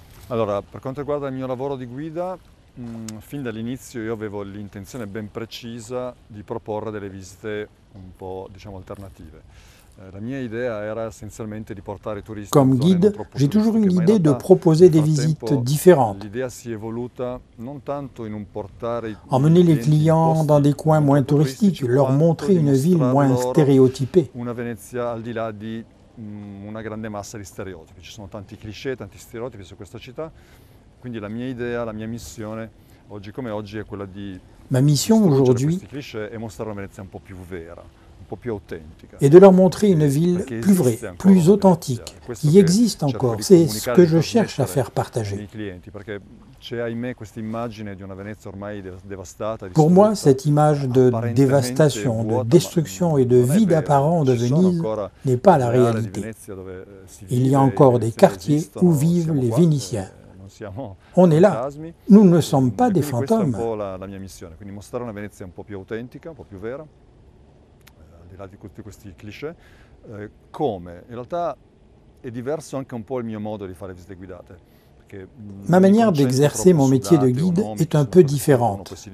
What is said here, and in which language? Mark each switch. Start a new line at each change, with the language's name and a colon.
Italian: Allora, per quanto riguarda il mio lavoro di guida, fin dall'inizio io avevo l'intenzione ben precisa di proporre delle visite un po', diciamo, alternative. La mia idea era essenzialmente di portare i turisti
French: come guide, j'ai toujours une idée de proposer des visites différentes.
Italian: L'idea si è evoluta non tanto in un portare
French: emmener les clients dans des coins moins touristiques, leur montrer une ville moins stéréotypée.
Italian: Una Venezia al di là di una grande massa di stereotipi, ci sono tanti cliché, tanti stereotipi su questa città, quindi la mia idea, la mia missione oggi come oggi è quella di sfuggire questi cliché e mostrare una Venezia un po' più vera, un po' più autentica.
French: E de leur montrer une ville plus vraie, plus authentique, qui existe encore, c'est ce que je cherche à faire partager.
Italian: Perché c'è ahimè questa immagine di una Venezia ormai devastata.
French: Pour moi, cette image de dévastation, de destruction et de vide apparent de Venise n'est pas la réalité. Il y a encore des quartiers où vivent les Vénitiens. On est là, nous ne sommes pas des fantômes.
Italian: C'est la mia missione, quindi mostrare una Venezia un po' più autentica, un po' più vera. Di là di tutti questi cliché, come? In realtà è diverso anche un po' il mio modo di fare visite guidate.
French: Ma manière d'exercer mon métier de guide est un peu différente.